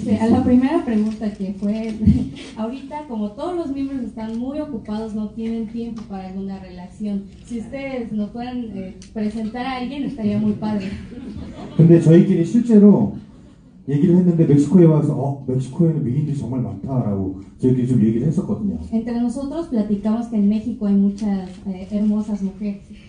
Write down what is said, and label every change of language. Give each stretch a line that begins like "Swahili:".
Spanish: La primera pregunta que fue, ahorita como todos los miembros están muy ocupados, no tienen tiempo para alguna relación. Si ustedes nos pueden presentar a alguien, estaría muy padre.
Korean: 근데 저희끼리 실제로 얘기를 했는데 멕시코에 와서 멕시코에는 미인들이 정말 많다라고 저희끼리 좀 얘기를 했었거든요.
Spanish: Entre nosotros platicamos que en México hay muchas hermosas mujeres.